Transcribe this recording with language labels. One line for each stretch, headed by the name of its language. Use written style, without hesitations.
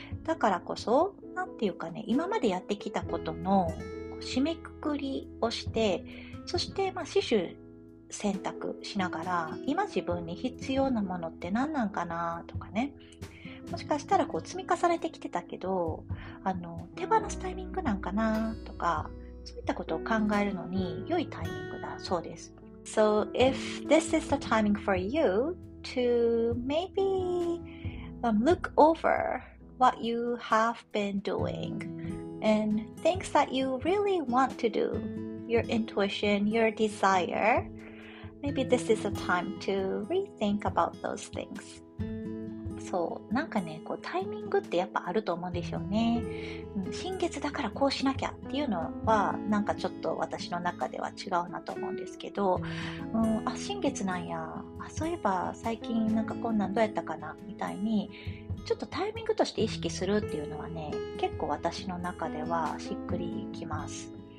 Japanese: だからこそなんていうかね、今までやってきたことの締めくくりをして、そして、まあ、四種選択しながら、今自分に必要なものって何なんかなとかね、もしかしたらこう積み重ねてきてたけど、手放すタイミングなんかなとか、そういったことを考えるのに良いタイミングだそうです。
English: So if this is the timing for you to maybe look over what you have been doing and things that you really want to doYour intuition, your desire. Maybe this is a time to rethink about those things.
Japanese: そう、なんかね、こうタイミングってやっぱあると思うんですよね。新月だからこうしなきゃっていうのは、なんかちょっと私の中では違うなと思うんですけど、あ、新月なんや。あ、そういえば最近なんかこんなんどうやったかなみたいに、ちょっとタイミングとして意識するっていうのはね、結構私の中ではしっくりきます。